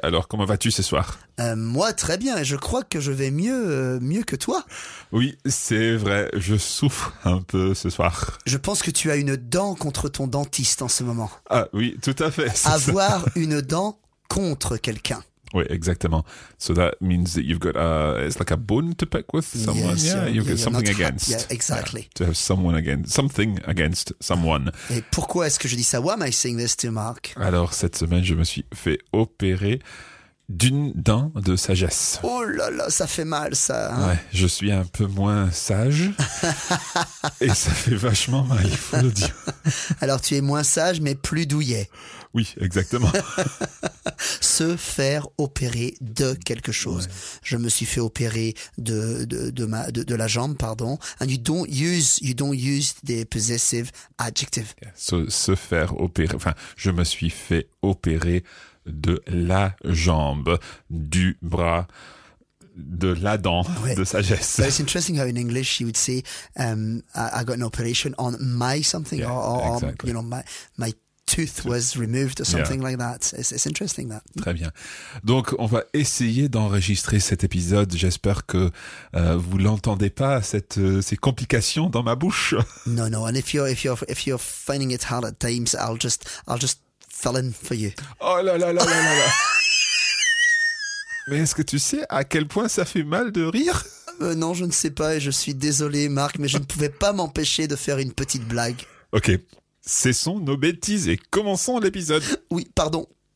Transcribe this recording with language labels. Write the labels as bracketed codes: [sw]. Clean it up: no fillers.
[fr] Alors, comment vas-tu ce soir ? Moi, très bien. Je crois que je vais mieux que toi. Oui, c'est vrai. Je souffre un peu ce soir. Je pense que tu as une dent contre ton dentiste en ce moment. Ah oui, tout à fait. Avoir une dent contre quelqu'un. Oui, exactement. [en] So that means that you've got a, it's like a bone to pick with someone. Yeah, yeah, you've yeah, got something against. Yeah, exactly. Yeah, to have someone against, something against someone. [fr] Et pourquoi est-ce que je dis ça? [en] Why am I saying this to Mark? [fr] Alors, cette semaine, je me suis fait opérer d'une dent de sagesse. Oh là là, ça fait mal ça. Hein? Ouais, je suis un peu moins sage et ça fait vachement mal, il faut le dire. Alors, tu es moins sage mais plus douillet. Oui, exactement. Se faire opérer de quelque chose. Ouais. Je me suis fait opérer de la jambe, pardon. [en] And you don't use the possessive adjective. [fr] Se faire opérer, enfin, je me suis fait opérer de la jambe, du bras, de la dent, ouais, de sagesse. [en] But it's interesting how in English you would say, I got an operation on my something, yeah, or exactly. You know, my tooth was removed or something like that. It's interesting that. [fr] Très bien. Donc, on va essayer d'enregistrer cet épisode. J'espère que vous l'entendez pas, ces complications dans ma bouche. [en] No. And if you're finding it hard at times, I'll just fill in for you. [fr] Oh là là là là là là. Mais est-ce que tu sais à quel point ça fait mal de rire? Non, je ne sais pas et je suis désolé, Marc, mais je ne pouvais pas m'empêcher de faire une petite blague. Ok. Cessons nos bêtises et commençons l'épisode. Oui, pardon.